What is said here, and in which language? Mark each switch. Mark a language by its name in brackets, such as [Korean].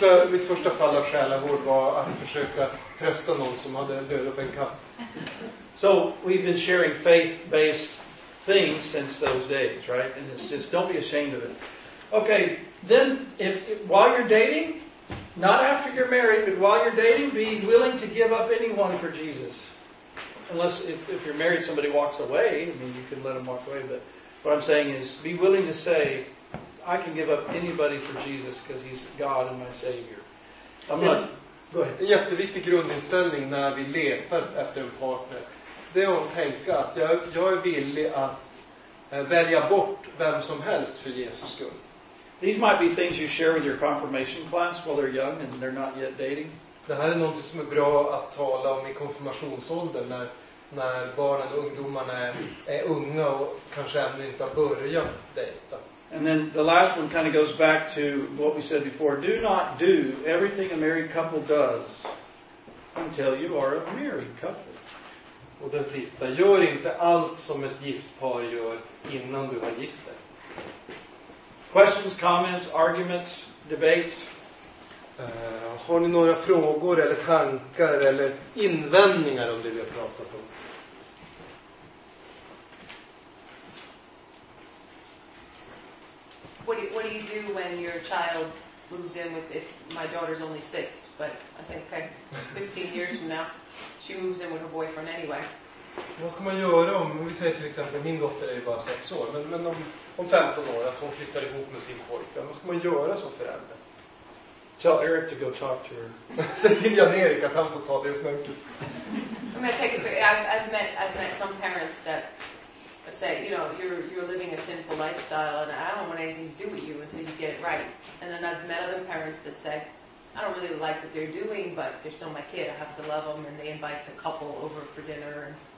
[Swedish] mitt första fall av själavård var att försöka trösta någon som hade dödat en katt. [English] So we've been sharing faith-based things since those days, right? And it's just, don't be ashamed of it. Okay, then if while you're dating, not after you're married, but while you're dating, be willing to give up anyone for Jesus. Unless if you're married, somebody walks away, I mean, you can let them walk away, but what I'm saying is be willing to say, I can give up anybody for Jesus because he's God and my Savior. Go ahead. [Swedish] En jätteviktig grundinställning när vi letar efter en partner. Det är att tänka att jag är villig att välja bort vem som helst för Jesus skull. [English] These might be things you share with your confirmation class while they're young and they're not yet dating. [Swedish] Det här är något som är bra att tala om i konfirmationsåldern när barnen och ungdomarna är unga och kanske ännu inte har börjat dejta. [English] And then the last one kind of goes back to what we said before. Do not do everything a married couple does until you are a married couple. [Swedish] Och den sista, gör inte allt som ett gift par gör innan du har gift dig. [English] Questions, comments, arguments, debates? [Swedish] Har ni några frågor eller tankar eller invändningar om det vi har pratat om? [English] What do you do when your child moves in with, if my daughter's only six, but I think 15 years from now, she moves in with her boyfriend anyway. [Swedish] Vad ska man göra om vi säger till exempel, min dotter är ju bara 6 år, men om 15 år, att hon flyttar ihop med sin pojkvän, vad ska man göra som förälder? [English] Tell Eric to go talk to her. [Swedish] Säg till Jan-Erik att han får ta det snacket. [English] I've met some parents that say, you know, you're living a sinful lifestyle and I don't want anything to do with you until you get it right. And then I've met other parents that say, I don't really like what they're doing, but they're still my kid. I have to love them, and they invite the couple over for dinner.